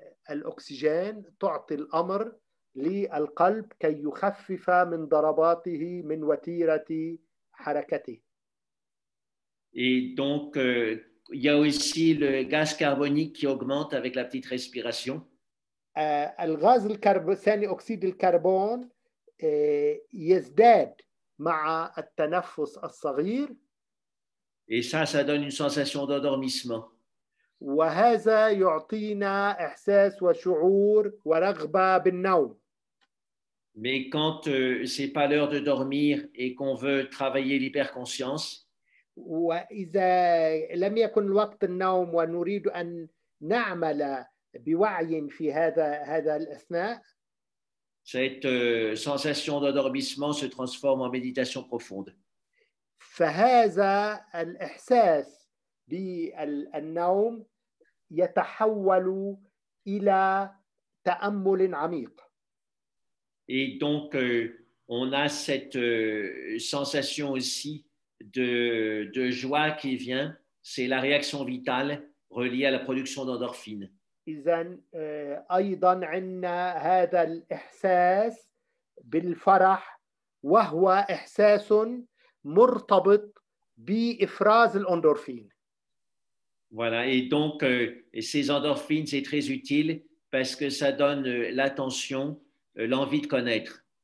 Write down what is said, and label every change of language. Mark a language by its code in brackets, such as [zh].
[ar] الأكسجين تعطي الأمر للقلب كي يخفف من ضرباته من وتيرة حركته. [fr] Et donc il y a aussi le gaz carbonique qui augmente avec la petite respiration. [ar] الغاز الكربون ثاني أكسيد الكربون يزداد مع التنفس الصغير. [fr] Et ça donne une sensation d'endormissement. [ar] وهذا يعطينا إحساس وشعور ورغبة بالنوم. [fr] Mais quand c'est pas l'heure de dormir et qu'on veut travailler l'hyperconscience. [ar] وإذا لم يكن الوقت النوم ونريد أن نعمل بوعي في هذا الأثناء. [fr] Cette sensation d'endormissement se transforme en méditation profonde. [ar] فهذا الإحساس بالنوم يتحول إلى تأمل عميق. [fr] Et donc on a cette sensation aussi de joie qui vient. C'est la réaction vitale reliée à la production d'endorphines. [ar] إذن أيضا عندنا هذا الإحساس بالفرح وهو إحساس مرتبط بإفراز الأندورفين. [fr] Voilà, et donc ces endorphines, c'est très utile parce que ça donne l'attention, l'envie de connaître.